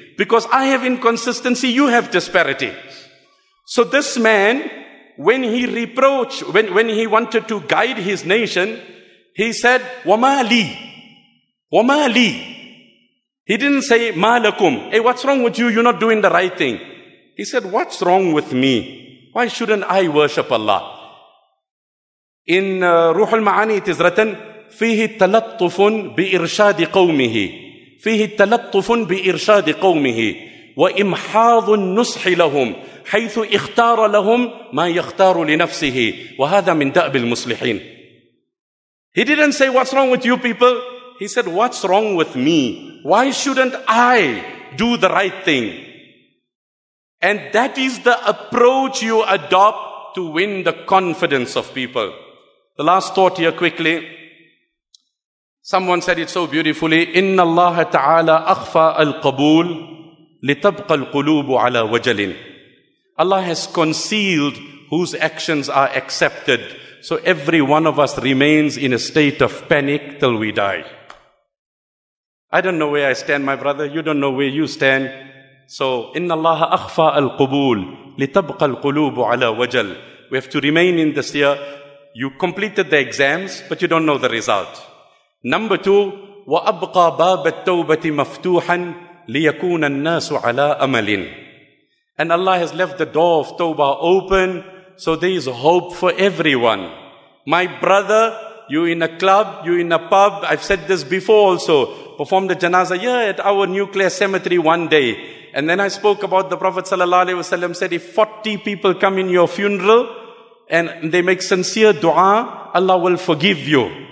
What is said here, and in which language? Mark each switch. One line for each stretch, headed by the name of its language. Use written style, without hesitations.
English: Because I have inconsistency, you have disparity. So this man, when he reproached, when he wanted to guide his nation, he said,
Arabic: وَمَا لِي وَمَا لِي.
English: He didn't say,
Arabic: مَا لَكُمْ.
English: Hey, what's wrong with you? You're not doing the right thing. He said, what's wrong with me? Why shouldn't I worship Allah? In Ruh al-Ma'ani, it is written,
Arabic: فيه تلطف بإرشاد قومه فيه تلطف بإرشاد قومه وإمحاض النصح لهم حيث اختار لهم ما يختار لنفسه وهذا من دأب المصلحين.
English: He didn't say what's wrong with you people. He said what's wrong with me? Why shouldn't I do the right thing? And that is the approach you adopt to win the confidence of people. The last thought here quickly. Someone said it so beautifully,
Arabic: إِنَّ اللَّهَ تَعَالَىٰ أَخْفَى الْقَبُولِ لِتَبْقَى الْقُلُوبُ عَلَىٰ وَجَلٍ.
English: Allah has concealed whose actions are accepted. So every one of us remains in a state of panic till we die. I don't know where I stand, my brother. You don't know where you stand.
Arabic: So, إِنَّ اللَّهَ أَخْفَى الْقُبُولِ لِتَبْقَى الْقُلُوبُ عَلَىٰ وَجَلٍ.
English: We have to remain in this year. You completed the exams, but you don't know the result. Number two,
Arabic: وَأَبْقَى بَابَ التَّوْبَةِ مَفْتُوحًا لِيَكُونَ النَّاسُ عَلَىٰ أَمَلٍ.
English: And Allah has left the door of Tawbah open, so there is hope for everyone. My brother, you in a club, you in a pub, I've said this before also, performed the janazah here at our nuclear cemetery one day. And then I spoke about the Prophet ﷺ said, if 40 people come in your funeral and they make sincere dua, Allah will forgive you.